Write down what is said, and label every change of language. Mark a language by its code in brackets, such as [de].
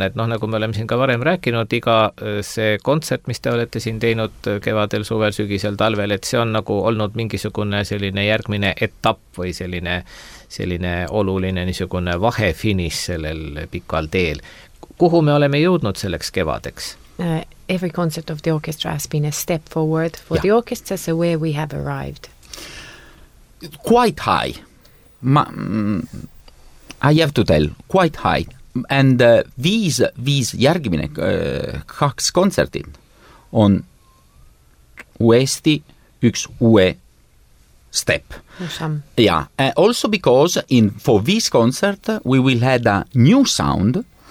[et] Et noh, nagu me oleme siin ka varem rääkinud, iga see kontsert, mis te olete siin teinud kevadel, suvel, sügisel, talvel, et see on nagu olnud mingisugune selline järgmine etapp või selline oluline niisugune vahe finis sellel pikal teel. Kuhu me oleme jõudnud selleks kevadeks? [en] Every concert of the orchestra has been a step forward for the orchestra, so where we have arrived. Quite high. I have to tell, quite high. [et] And viis järgmine kaks kontsertid on uuesti üks uue [en] step. Awesome. Yeah. Also because in for this concert we will have a new sound.